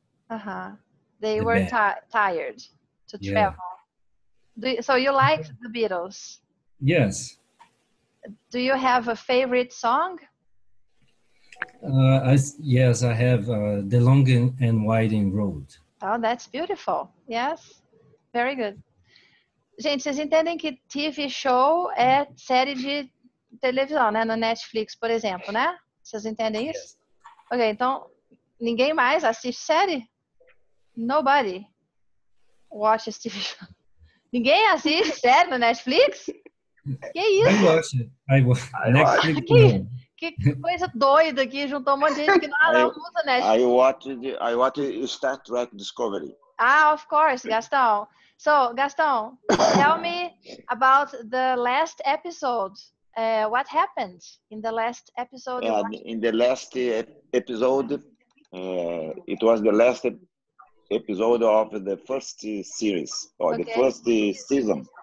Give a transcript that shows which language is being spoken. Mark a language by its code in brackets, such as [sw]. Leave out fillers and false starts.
[en] Uh-huh. They were tired to travel. So you liked the Beatles? Yes. Do you have a favorite song? Yes, I have The Long and Winding Road. Oh, that's beautiful. Yes, very good. [pt] Gente, vocês entendem que TV show é série de televisão, né? No Netflix, por exemplo, né? Vocês entendem isso? Ok, então, ninguém mais assiste série? [en] Nobody watches TV show. [pt] Ninguém assiste série no Netflix? Que isso? [en] I watch it. Netflix. [pt] Que coisa doida aqui, juntou um monte de gente que não usa Netflix. [en] I watch Star Trek Discovery. Ah, of course, Gastão. So, Gaston, tell me about the last episode. What happened in the last episode? It was the last episode of the first series, or the first season.